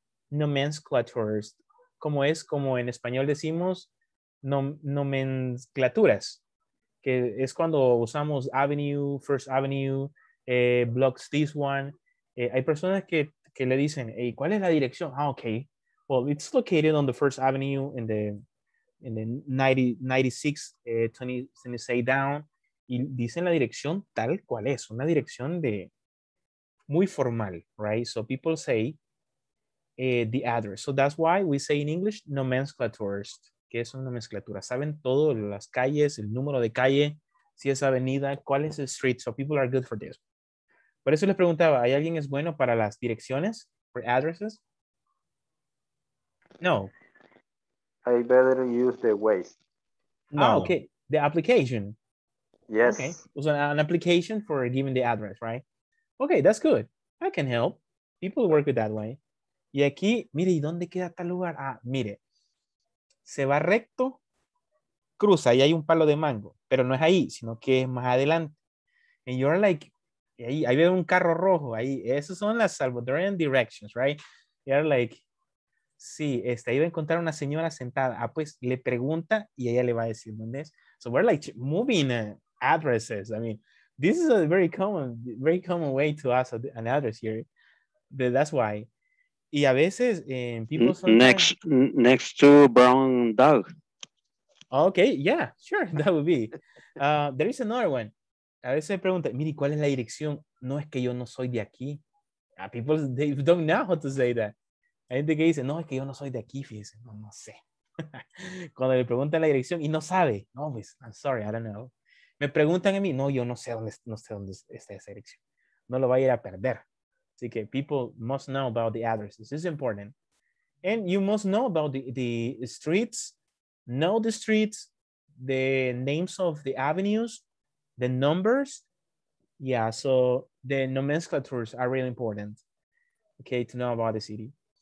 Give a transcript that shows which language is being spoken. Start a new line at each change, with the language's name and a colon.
Spanish: Nomenclatures. Como es, como en español decimos, nomenclaturas. Que es cuando usamos avenue, first avenue,
English: blocks this one.
Spanish: Hay personas que... que le dicen, hey, ¿cuál es la dirección?
English: Ah, okay. Well, it's located on the First Avenue in the 96 down.
Spanish: Y dicen la dirección tal cual es. Una dirección de muy formal, right?
English: So people say the address. So that's why we say in English, nomenclatures.
Spanish: ¿Qué es una nomenclatura? Saben todas las calles, el número de calle, si es avenida, cuál es el street.
English: So people are good for this.
Spanish: Por eso les preguntaba, ¿hay alguien es bueno para las direcciones?
English: For addresses? No. I better use the Waze. No. Oh, okay. The application. Yes. Okay. It was an application for giving the address, right? Okay, that's good. I can help. People work with that way.
Spanish: Y aquí, mire, ¿y dónde queda tal lugar? Ah, mire. Se va recto, cruza, ahí hay un palo de mango. Pero no es ahí, sino que es más adelante.
English: And you're like...
Spanish: ahí veo un carro rojo, ahí, esas son las
English: Salvadorian directions, right? You're like,
Spanish: sí, ahí va a encontrar una señora sentada. Ah, pues, le pregunta y ella le va a decir dónde es.
English: So we're like moving addresses. I mean, this is a very common way to ask an address here. But that's why.
Spanish: Y a veces, people...
English: Next to brown dog. Okay, yeah, sure, that would be. There is another one.
Spanish: A veces me preguntan, mire, ¿cuál es la dirección? No, es que yo no soy de aquí.
English: People, they don't know how to say that.
Spanish: Hay gente que dice, no, es que yo no soy de aquí. Fíjense, no, no sé. Cuando le preguntan la dirección y no sabe. No, pues,
English: I'm sorry, I don't know.
Spanish: Me preguntan a mí, no, yo no sé dónde, no sé dónde está esa dirección. No lo va a ir a perder. Así que
English: people must know about the addresses. This is important. And you must know about the streets, know the streets, the names of the avenues, the numbers. Yeah, so the nomenclatures are really important, okay, to know about the city.